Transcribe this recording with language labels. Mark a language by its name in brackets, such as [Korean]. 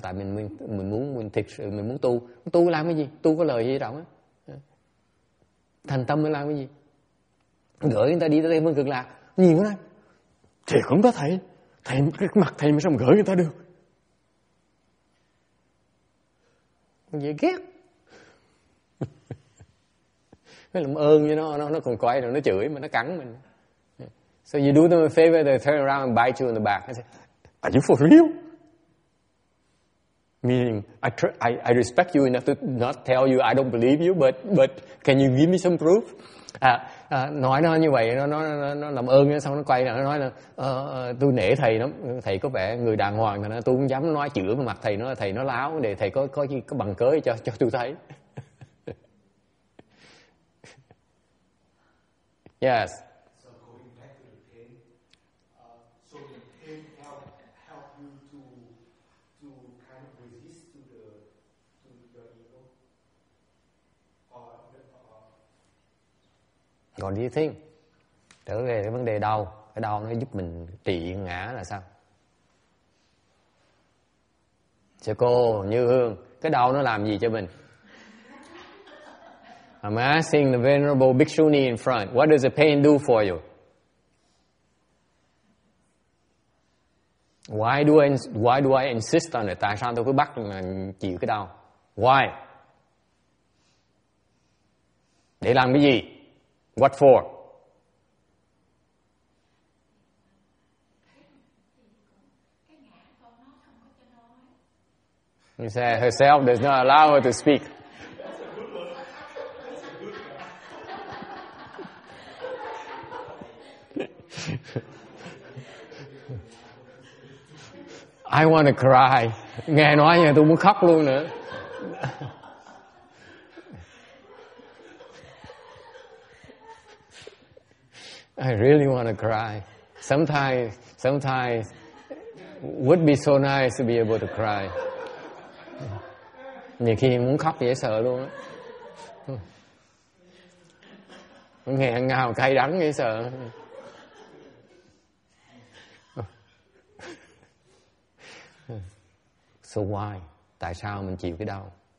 [Vietnamese] Tại mình muốn thực sự mình muốn tu làm cái gì, tu có lời gì đâu á, thành tâm mới làm cái gì, gửi người ta đi tới Tây Phương Cực Lạc nhiều lắm thì cũng có thầy cái mặt thầy mới sao mà gửi người ta được vậy, ghét mới làm ơn với nó còn quay rồi nó chửi mà nó cắn mình. [English] So you do them a favor, they turn around and bite you in the back. I say, are you for real? Meaning, I respect you enough to not tell you I don't believe you, but can you give me some proof? [Vietnamese] Nói nó như vậy, nó làm ơn, xong nó quay lại, nó nói là tôi nể thầy lắm, thầy có vẻ người đàng hoàng, tôi không dám nói chữa vào mặt thầy, nó thầy nó láo, để thầy có bằng cớ cho tôi thấy. [English] Yes. [Vietnamese] Còn đi thiên trở về cái vấn đề đau, cái đau nó giúp mình trị ngã là sao? Sư cô Như Hương, cái đau nó làm gì cho mình? [English] I'm asking the venerable Bhikshuni in front, what does the pain do for you? Why do I insist on it? [Vietnamese] Tại sao tôi cứ bắt chịu cái đau? [English] Why? [Vietnamese] Để làm cái gì? [English] What for? He said herself does not allow her to speak. I want to cry. [Vietnamese] Nghe nói vậy tôi muốn khóc luôn nữa. [English] I really want to cry. Sometimes would be so nice to be able to cry. [Vietnamese] Nhiều khi muốn khóc dễ sợ luôn á. Nghẹn ngào cay đắng dễ sợ. [English] So why? [Vietnamese] Tại sao mình chịu cái đau?